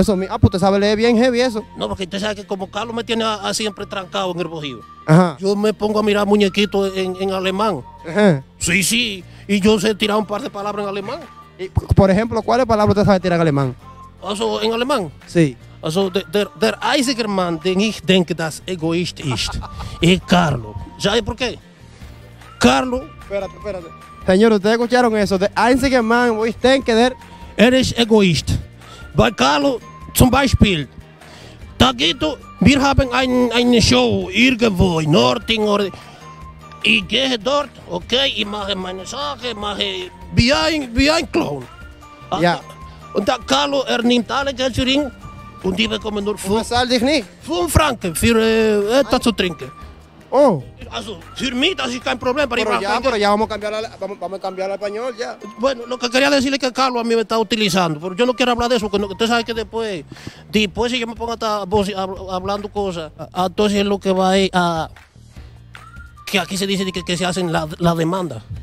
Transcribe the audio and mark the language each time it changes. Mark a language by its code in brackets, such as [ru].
[es] Ah, pues usted sabe leer bien heavy eso. No, porque usted sabe que como Carlos me tiene a siempre trancado en el bojío. Ajá. Yo me pongo a mirar muñequitos en alemán. Ajá. Sí, sí. Y yo sé tirar un par de palabras en alemán. Y, por ejemplo, ¿cuáles palabras usted sabe tirar en alemán? Also, ¿en alemán? Sí. [de] Also, der einzige Mann, den ich denke, das egoist ist, es Carlos. [es] ¿Sabe por qué? Carlos. Espérate. Señor, ¿ustedes escucharon eso? [de] The einzige Mann, wo ich denke, der... [es] Eres egoist. [de] Bei Carlos, zum Beispiel. Tanguito, wir haben eine Show irgendwo in Norting. Ich gehe dort, okay, ich mache meine Sache, mache wie ein Clown. Ja. Yeah. Und dann Carlos, nimmt alle Geld für ihn und die bekommen nur 5 Franken für etwas zu trinken. Oh. Also, für mich, das ist kein Problem. [es] Pero ya vamos a cambiar al español, ya. Bueno, lo que quería decirle es que Carlos a mí me está utilizando, pero yo no quiero hablar de eso, porque usted sabe que después si yo me pongo a estar hablando cosas, entonces es lo que va a ir a... Que aquí se dice que se hacen la demanda.